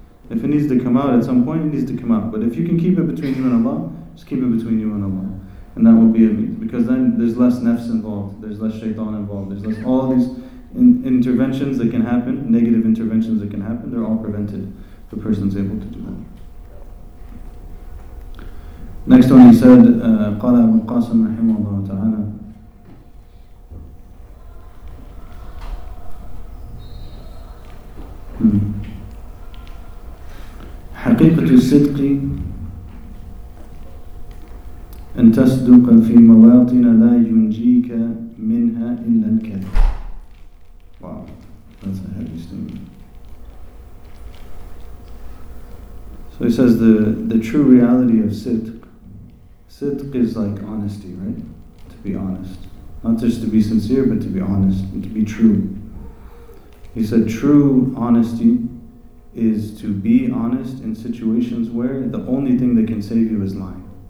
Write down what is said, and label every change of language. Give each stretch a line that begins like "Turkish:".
English: If it needs to come out at some point, it needs to come out. But if you can keep it between you and Allah, just keep it between you and Allah. And that will be amazing, because then there's less nafs involved, there's less shaitan involved, there's less all these interventions that can happen, negative interventions that can happen, they're all prevented. The person's able to do that. Next one, he said,
Arabic: قال أبو القاسم رحمه الله تعالى. حقيقة الصدق أن تصدق في مواطن لا ينجيك منها إلا الكذب.
English: Wow, that's a heavy statement. So he says the true reality of sidq. Sidq is like honesty, right? To be honest. not just to be sincere, but to be honest and to be true. He said, true honesty is to be honest in situations where the only thing that can save you is lying.